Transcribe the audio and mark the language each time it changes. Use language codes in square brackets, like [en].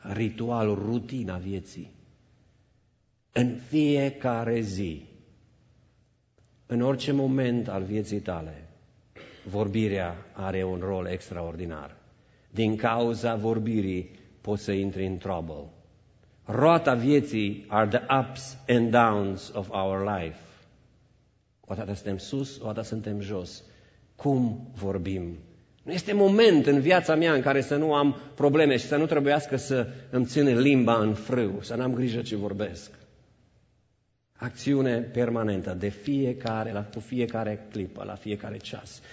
[ro] Ritualul, rutina vieții. În fiecare zi, în orice moment al vieții tale, vorbirea are un rol extraordinar. Din cauza vorbirii poți să intri în trouble. Roata vieții [en] are the ups and downs of our life. [ro] Odată suntem sus, odată suntem jos. Cum vorbim? Nu este moment în viața mea în care să nu am probleme și să nu trebuiască să îmi țin limba în frâu, să n-am grijă ce vorbesc. Acțiune permanentă, de fiecare, cu fiecare clipă, la fiecare ceas.